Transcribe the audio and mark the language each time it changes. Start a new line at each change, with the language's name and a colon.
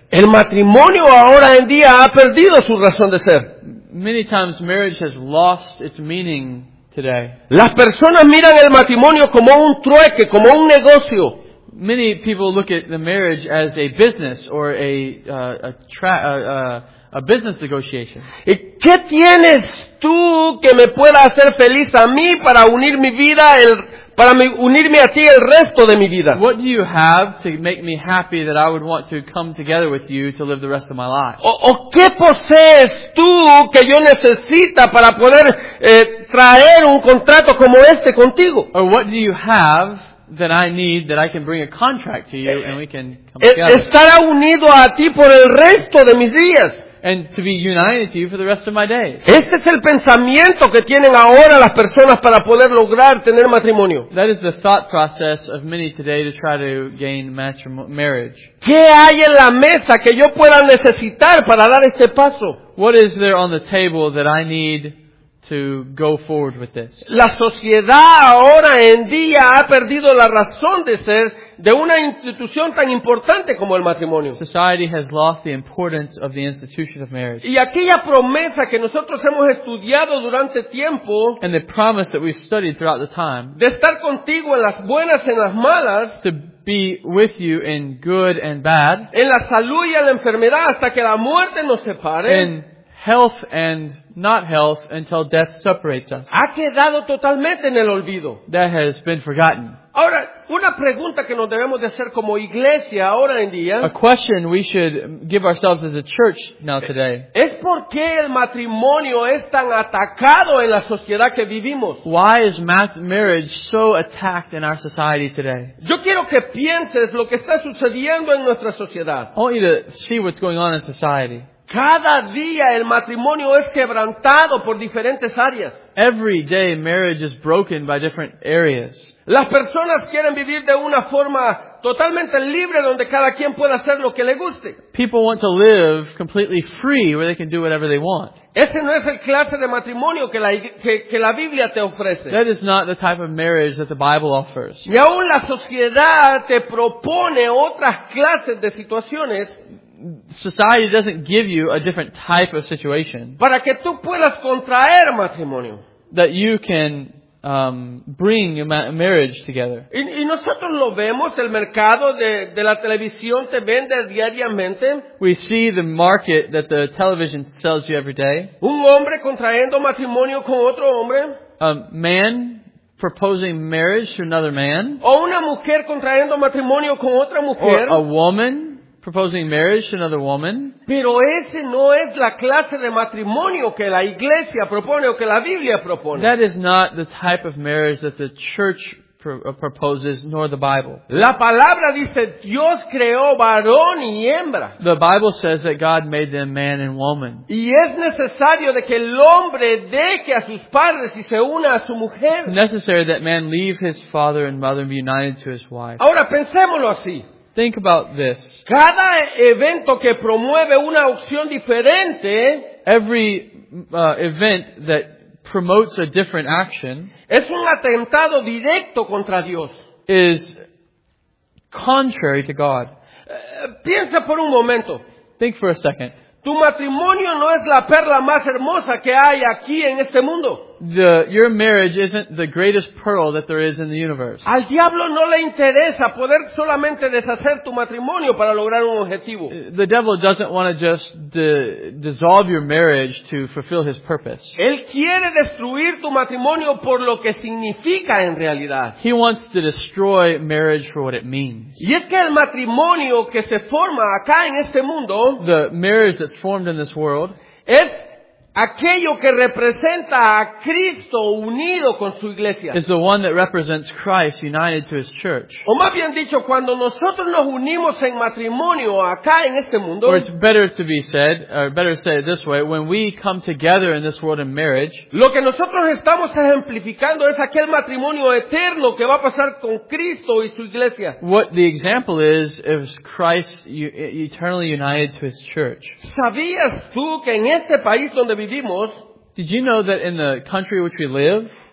Spanish: El matrimonio ahora en día ha perdido su razón de ser.
English: Many times marriage has lost its meaning today.
Spanish: Las personas miran el matrimonio como un trueque, como un negocio.
English: Many people look at the marriage as a business or a business negotiation.
Spanish: ¿Y qué tienes tú que me pueda hacer feliz a mí para unir mi vida unirme a ti el resto de mi vida?
English: What do you have to make me happy that I would want to come together with you to live the rest of my life?
Spanish: ¿O qué posees tú que yo necesita para poder traer un contrato como este contigo?
English: Or what do you have that I need that I can bring a contract to you and we can come together?
Spanish: Estará unido a ti por el resto de mis días.
English: And to be united to you for the rest of my days.
Spanish: Este es el pensamiento que tienen ahora las personas para poder lograr tener matrimonio.
English: That is the thought process of many today to try to gain marriage.
Spanish: ¿Qué hay en la mesa que yo pueda necesitar para dar este paso?
English: What is there on the table that I need to go forward with this?
Spanish: La sociedad ahora en día ha perdido la razón de ser de una institución tan importante como el matrimonio.
English: Society has lost the importance of the institution of marriage.
Spanish: Y aquella promesa que nosotros hemos estudiado durante tiempo,
English: and the promise that we've studied throughout the time,
Spanish: de estar contigo en las buenas y en las malas,
English: to be with you in good and bad,
Spanish: en la salud y en la enfermedad hasta que la muerte nos separe,
English: in health and not health until death separates us.
Spanish: Ha quedado totalmente en el olvido.
English: That has been forgotten.
Spanish: Ahora, una pregunta que nos debemos de hacer como iglesia ahora en día.
English: A question we should give ourselves as a church now today.
Spanish: ¿Es por qué el matrimonio es tan atacado en la sociedad que vivimos?
English: Why is marriage so attacked in our society today?
Spanish: Yo quiero que pienses lo que está sucediendo en nuestra sociedad.
English: I want you to see what's going on in society.
Spanish: Cada día el matrimonio es quebrantado por diferentes áreas.
English: Every day marriage is broken by different areas.
Spanish: Las personas quieren vivir de una forma totalmente libre donde cada quien pueda hacer lo que le guste.
English: People want to live completely free where they can do whatever they want.
Spanish: Ese no es el clase de matrimonio que la Biblia te ofrece.
English: That is not the type of marriage that the Bible offers.
Spanish: Y aún la sociedad te propone otras clases de situaciones.
English: Society doesn't give you a different type of situation.
Spanish: Para que tú puedas contraer matrimonio.
English: That you can bring marriage together.
Spanish: Y nosotros lo vemos, el mercado de la televisión te vende diariamente.
English: We see the market that the television sells you every day.
Spanish: Un hombre contrayendo matrimonio con otro hombre.
English: A man proposing marriage to another man.
Spanish: O una mujer contrayendo matrimonio con otra mujer.
English: Or a woman proposing marriage to another woman.
Spanish: Pero ese no es la clase de matrimonio que la iglesia propone o que la Biblia propone.
English: That is not the type of marriage that the church proposes nor the Bible.
Spanish: La palabra dice Dios creó varón y hembra.
English: The Bible says that God made them man and woman.
Spanish: Y es necesario de que el hombre deje a sus padres y se una a su mujer.
English: It's necessary that man leave his father and mother and be united to his wife.
Spanish: Ahora pensémoslo así.
English: Think about this.
Spanish: Cada evento que promueve una opción diferente,
English: every event that promotes a different action,
Spanish: es un atentado directo contra Dios.
English: Is contrary to God.
Spanish: Piensa por un momento.
English: Think for a second.
Spanish: Tu matrimonio no es la perla más hermosa que hay aquí en este mundo.
English: your marriage isn't the greatest pearl that there is in the universe.
Spanish: Al diablo no le interesa poder solamente deshacer tu matrimonio para lograr un objetivo.
English: The devil doesn't want to just dissolve your marriage to fulfill his purpose.
Spanish: Él quiere destruir tu matrimonio por lo que significa en realidad.
English: He wants to destroy marriage for what it means.
Spanish: Y es que el matrimonio que se forma acá en este mundo,
English: the marriage that's formed in this world,
Spanish: es aquello que representa a Cristo unido con su iglesia.
English: Is the one that represents Christ united to his church.
Spanish: O más bien dicho, cuando nosotros nos unimos en matrimonio acá en este mundo.
English: Or it's better to be said, or better say it this way, when we come together in this world in marriage.
Spanish: Lo que nosotros estamos ejemplificando es aquel matrimonio eterno que va a pasar con Cristo y su iglesia.
English: What the example is Christ eternally united to his church.
Spanish: ¿Sabías tú que en este país donde vivimos,
English: did you know that in the country which we live,